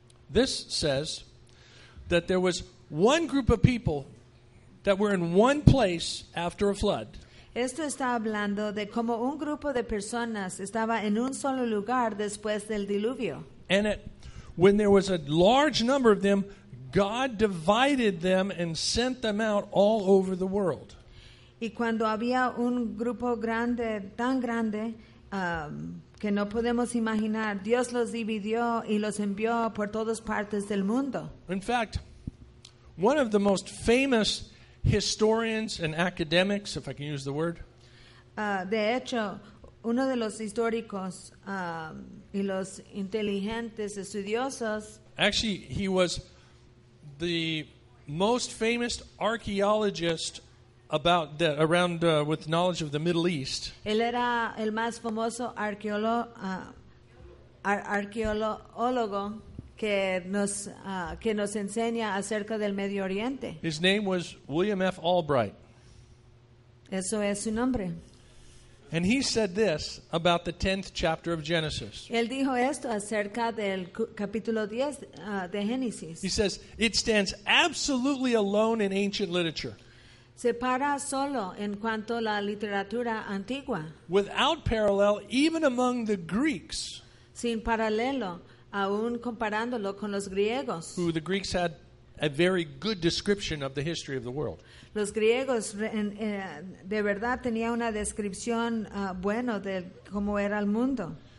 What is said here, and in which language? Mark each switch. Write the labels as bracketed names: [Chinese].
[English] This says that there was one group of people that were in one place after a flood. [Spanish] Esto está hablando de cómo un grupo de personas estaba en un solo lugar después del diluvio. [English] And when there was a large number of them, God divided them and sent them out all over the world. [Spanish] Y cuando había un grupo grande, tan grande, que no podemos imaginar, Dios los dividió y los envió por todas partes del mundo. [English] In fact, one of the most famous historians and academics, if I can use the word. [Spanish] De hecho, uno de los históricos y los inteligentes estudiosos. [English] Actually, he was the most famous archaeologist about the around with knowledge of the Middle East. [Spanish] Él era el más famoso arqueólogo. Que nos enseña acerca del Medio Oriente. [English] His name was William F. Albright. [Spanish] Eso es su nombre. [English] And he said this about the 10th chapter of Genesis. [Spanish] Él dijo esto acerca del capítulo 10 de Génesis. [English] He says, it stands absolutely alone in ancient literature. [Spanish] se para solo en cuanto a la literatura antigua. [English] Without parallel, even among the Greeks. [Spanish] Sin paralelo, aún comparándolo con los griegos. [English] Who the Greeks had a very good description of the history of the world. [Spanish] Los griegos de verdad tenía una descripción bueno de cómo era el mundo.